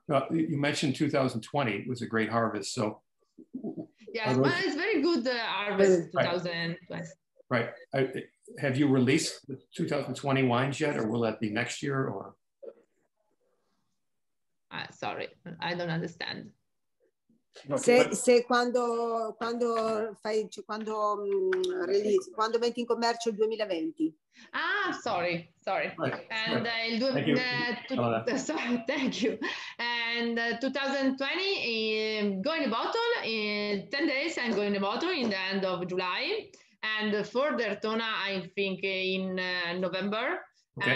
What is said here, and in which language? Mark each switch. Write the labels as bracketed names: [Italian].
[English] You mentioned 2020 was a great harvest. So yes, but it's very good harvest. 2020. Right. Have you released the 2020 wines yet, or will that be next year, or? Sorry, I don't understand. [Italian] Se quando fai, quando release, quando metti in commercio il 2020. [English] Ah, sorry. And il 2020 going in bottle in 10 days, and going in bottle in the end of July. And for Dertona, I think in November. Okay.